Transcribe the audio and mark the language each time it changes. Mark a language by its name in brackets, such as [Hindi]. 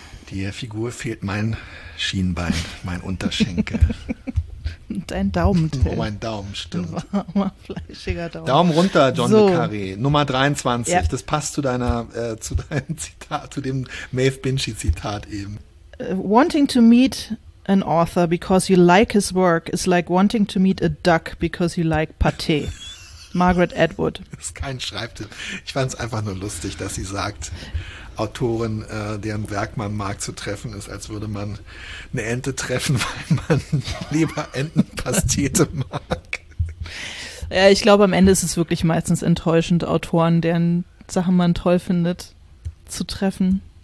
[German] Der Figur fehlt mein Schienbein, mein Unterschenkel. Dein Daumen. Oh, mein Daumen, stimmt. Warmer, fleischiger Daumen. Daumen runter, John so. Le Carré. Nummer 23. Ja. Das passt zu deinem Zitat, zu dem Maeve Binchy-Zitat eben. [English] Wanting to meet an author because you like his work is like wanting to meet a duck because you like Pâté. [German] Margaret Atwood. Das ist kein Schreibtipp. Ich fand es einfach nur lustig, dass sie sagt, Autorin, deren Werk man mag, zu treffen ist, als würde man eine Ente treffen, weil man lieber Entenpastete mag. Ja, ich glaube, am Ende ist es wirklich meistens enttäuschend, Autoren, deren Sachen man toll findet, zu treffen.